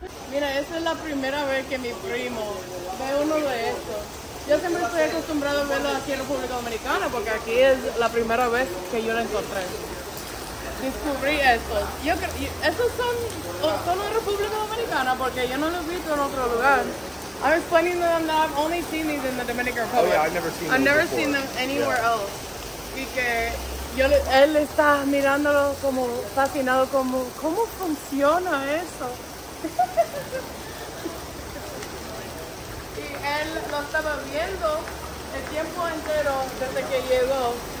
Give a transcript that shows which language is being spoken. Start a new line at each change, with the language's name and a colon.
Spanish: Mira, esa es la primera vez que mi primo ve uno de estos. Yo siempre estoy acostumbrado a verlo aquí en República Dominicana, porque aquí es la primera vez que yo lo encontré. Descubrí estos. Estos son de República Dominicana porque yo no los he visto en otro lugar.
English: I was planning them that I've only seen these in the Dominican Republic. Oh yeah, I've never seen them. I've never seen them anywhere else.
Spanish: Y que yo, él está mirándolo como fascinado, como, ¿cómo funciona eso? Y él lo estaba viendo el tiempo entero desde que llegó.